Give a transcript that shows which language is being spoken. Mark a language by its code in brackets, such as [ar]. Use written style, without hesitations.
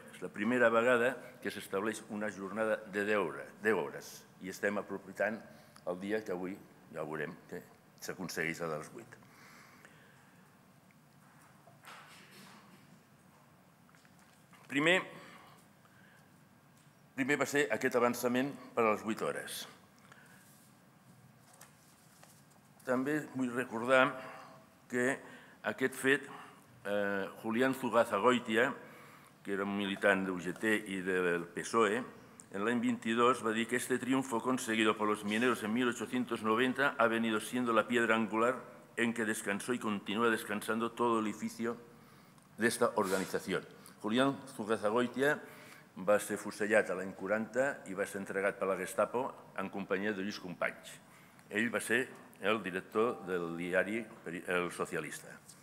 [ca] És la primera vegada que s'estableix una jornada de 10 hores i estem aprofitant el dia que avui, ja ho veurem, que s'aconsegueix a les 8. Primer va ser aquest avançament per a les 8 hores. També vull recordar que aquest fet, Julián Zugazagoitia, que era un militant d'UGT i del PSOE, en l'any 22 va dir que [es] este triunfo conseguido por los mineros en 1890 ha venido siendo la piedra angular en que descansó y continúa descansando todo el edificio de esta organización. [ca] Julián Zugazagoitia va ser fusellat l'any 40 i va ser entregat per la Gestapo en companyia de Lluís Companys. Ell va ser el director del diari El Socialista.